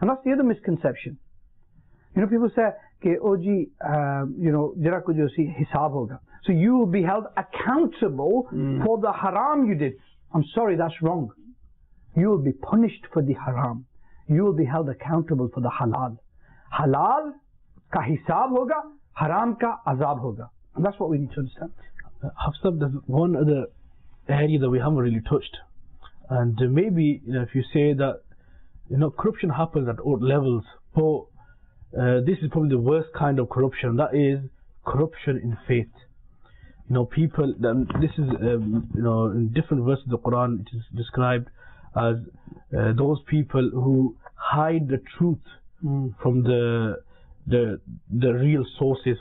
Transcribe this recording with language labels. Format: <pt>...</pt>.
<en>And that's the other misconception. You know, people say,</en> <ur>jira kujo si hisab hoga.</ur> <en>So you will be held accountable for the haram you did. I'm sorry, that's wrong. You will be punished for the haram. You will be held accountable for the halal.</en> <ur>حلال کا حساب ہوگا. حرام کا عذاب ہوگا.</ur> <en>And that's what we need to understand. Hafsab, there's one other area that we haven't really touched. And maybe, you know, if you say that, you know, corruption happens at all levels, but this is probably the worst kind of corruption. That is corruption in faith. You know, people, this is, you know, in different verses of the Quran, it is described as those people who hide the truth from the real sources.</en>